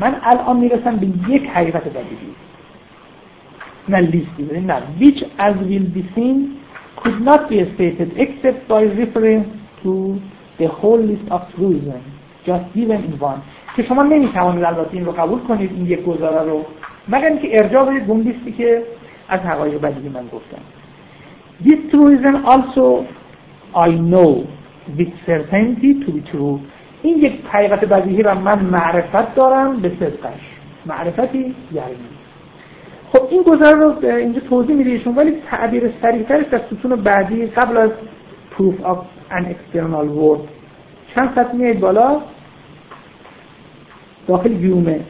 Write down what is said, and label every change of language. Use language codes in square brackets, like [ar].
[fa] من الان میرسم به یک حقیقت بدیهی، نه لیستی بده، نه [en] which as will be seen could not be stated except by reference to the whole list of truism just given in one. [fa] که شما نمیتوانید البته این رو قبول کنید، این یک گزاره رو، مگر اینکه ارجاع بدید به اون لیستی که از حقایق بدیهی من گفتم. [en] This truism also I know with certainty to be true. [fa] این یک حقیقت بدیهی را من معرفت دارم به صدقش، معرفتی یعنی. خب این گزاره رو اینجا توضیح میدهیشون، ولی تعبیر صریح‌ترش در ستون بعدی قبل از proof of an external world چند سطح میاد بالا داخل گیومه.